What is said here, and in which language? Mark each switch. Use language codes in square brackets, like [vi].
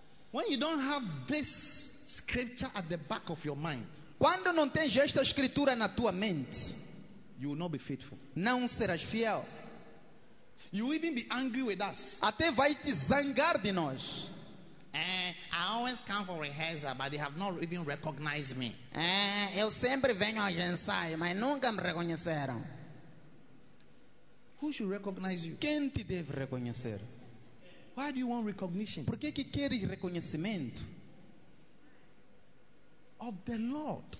[en] When you don't have this scripture at the back of your mind, [pt] quando não tens esta escritura na tua mente, [en] you will not be faithful. [pt] Não serás fiel. [en] You will even be angry with us. [pt] Até vai te zangar de nós. [en] I always come for rehearsal, but they have not even recognized me. [pt] Eu sempre venho aos ensaios, mas nunca me reconheceram. [en] Who should recognize you? [pt] Quem te deve reconhecer? [en] Why do you want recognition? [pt] Por que que queres reconhecimento? [en] Of the Lord.